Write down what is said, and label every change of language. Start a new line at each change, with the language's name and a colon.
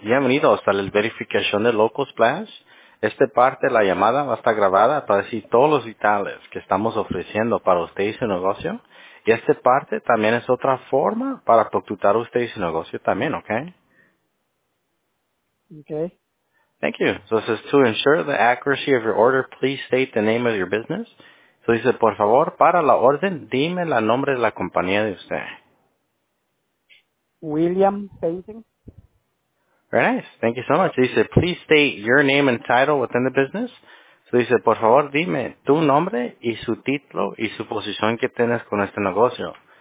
Spanish: Bienvenidos a la verificación de Local Splash. Esta parte, la llamada, va a estar grabada para decir todos los detalles que estamos ofreciendo para usted y su negocio. Y esta parte también es otra forma para contactar a usted y su negocio también, ¿ok?
English: Ok. Thank you. So it says, to ensure the accuracy of your order, please state the name of your business.
Spanish: So dice, por favor, para la orden, dime el nombre de la compañía de usted.
English: William Painting. Very nice. Thank you so much.
Spanish: Dice,
English: please state your name and title within the business.
Spanish: So dice, por favor, dime tu nombre y su título y su posición que tienes con este negocio.